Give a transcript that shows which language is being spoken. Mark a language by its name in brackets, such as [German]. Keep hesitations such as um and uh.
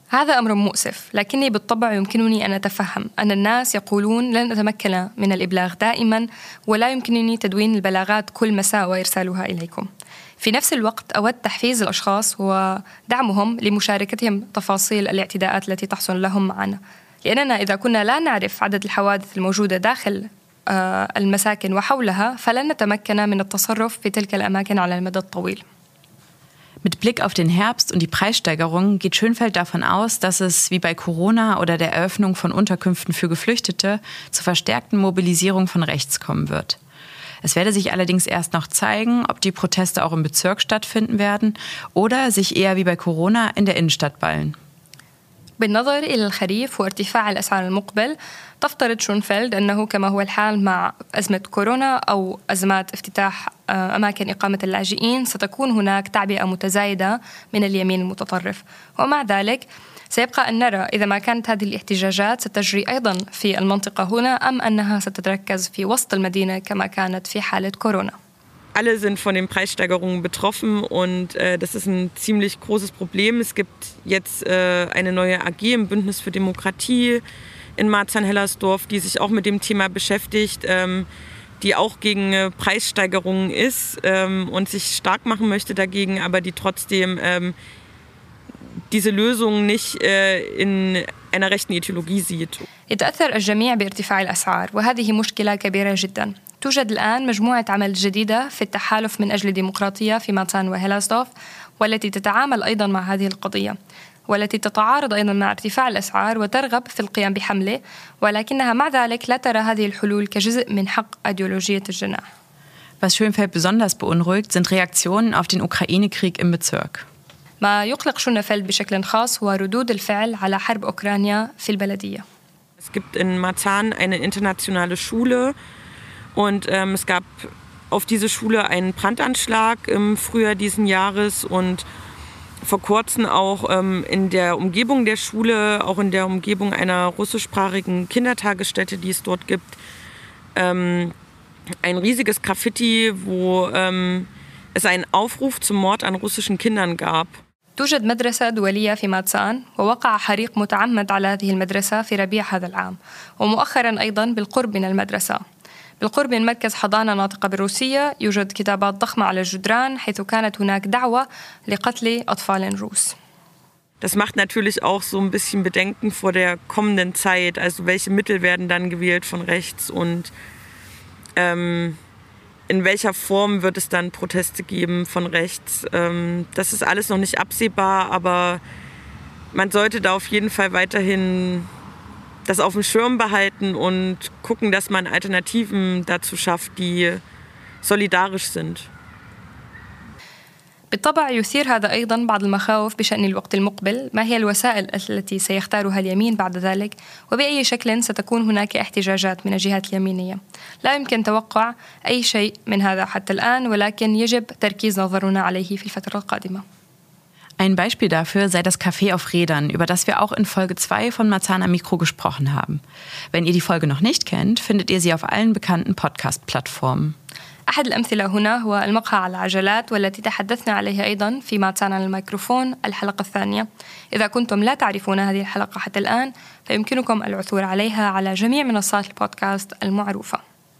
[Arabic] هذا أمر مؤسف لكني بالطبع يمكنني أن أتفهم أن الناس يقولون لن أتمكن من الإبلاغ دائما ولا يمكنني تدوين البلاغات كل مساء وإرسالها إليكم في نفس الوقت أود تحفيز الأشخاص ودعمهم لمشاركتهم تفاصيل الاعتداءات التي تحصل لهم معنا لأننا إذا كنا لا نعرف عدد الحوادث الموجودة داخل آه، المساكن وحولها فلن نتمكن من التصرف في تلك الأماكن على المدى الطويل [German] Mit Blick auf den Herbst und die Preissteigerungen geht Schönfeld davon aus, dass es wie bei Corona oder der Eröffnung von Unterkünften für Geflüchtete zur verstärkten Mobilisierung von rechts kommen wird. Es werde sich allerdings erst noch zeigen, ob die Proteste auch im Bezirk stattfinden werden oder sich eher wie bei Corona in der Innenstadt ballen. [Arabic] بالنظر إلى الخريف وارتفاع الأسعار المقبل تفترض شونفيلد أنه كما هو الحال مع أزمة كورونا أو أزمات افتتاح آه، أماكن إقامة اللاجئين ستكون هناك تعبئة متزايدة من اليمين المتطرف ومع ذلك سيبقى أن نرى إذا ما كانت هذه الاحتجاجات ستجري أيضا في المنطقة هنا أم أنها ستتركز في وسط المدينة كما كانت في حالة كورونا [German] alle sind von den Preissteigerungen betroffen und äh, das ist ein ziemlich großes Problem. Es gibt jetzt äh, eine neue AG im Bündnis für Demokratie in Marzahn-Hellersdorf, die sich auch mit dem Thema beschäftigt, ähm, die auch gegen äh, Preissteigerungen ist ähm, und sich stark machen möchte dagegen, aber die trotzdem ähm, diese Lösung nicht äh, in einer rechten Ideologie sieht. [Arabic] يتأثر الجميع بارتفاع الأسعار وهذه مشكلة كبيرة جدا توجد الآن مجموعة عمل جديدة في التحالف من أجل الديمقراطية في ماتان وهيلاسدورف والتي تتعامل أيضا مع هذه القضية والتي تتعارض أيضا مع ارتفاع الأسعار وترغب في القيام بحملة ولكنها مع ذلك لا ترى هذه الحلول كجزء من حق أيديولوجية الجناح [German] Was Schönfeld besonders beunruhigt, sind Reaktionen auf den Ukraine-Krieg im Bezirk. [Arabic] ما يقلق شونفيلد بشكل خاص هو ردود الفعل على حرب أوكرانيا في البلدية [German] Es gibt in Marzahn eine internationale Schule und ähm, es gab auf diese Schule einen Brandanschlag im Frühjahr diesen Jahres und vor kurzem auch ähm, in der Umgebung der Schule, auch in der Umgebung einer russischsprachigen Kindertagesstätte, die es dort gibt, ähm, ein riesiges Graffiti, wo ähm, es einen Aufruf zum Mord an russischen Kindern gab. [Arabic] توجد مدرسة دولية في ماتسان ووقع حريق متعمد على هذه المدرسة في ربيع هذا العام ومؤخرا أيضا بالقرب من المدرسة بالقرب من مركز حضانة ناطقة بالروسية يوجد كتابات ضخمة على الجدران حيث كانت هناك دعوة لقتل أطفال روس [German] Das macht natürlich auch so ein bisschen Bedenken vor der kommenden Zeit. Also welche Mittel werden dann gewählt von rechts und ähm, in welcher Form wird es dann Proteste geben von rechts. Ähm, das ist alles noch nicht absehbar, aber man sollte da auf jeden Fall weiterhin das auf dem Schirm behalten und gucken, dass man Alternativen dazu schafft, die solidarisch sind. [Arabic] بالطبع يثير هذا أيضا بعض المخاوف بشأن الوقت المقبل ما هي الوسائل التي سيختارها اليمين بعد ذلك وبأي شكل ستكون هناك احتجاجات من الجهات اليمينية لا يمكن توقع أي شيء من هذا حتى الآن ولكن يجب تركيز نظرنا عليه في الفترة القادمة [German] Ein Beispiel dafür sei das Café auf Rädern, über das wir auch in Folge 2 von Marzana Mikro gesprochen haben. Wenn ihr die Folge noch nicht kennt, findet ihr sie auf allen bekannten Podcast-Plattformen. [Arabic] أحد الأمثلة هنا هو المقهى على العجلات والتي تحدثنا عليها أيضا في ماتسان على الميكروفون الحلقة الثانية إذا كنتم لا تعرفون هذه الحلقة حتى الآن فيمكنكم العثور عليها على جميع منصات البودكاست المعروفة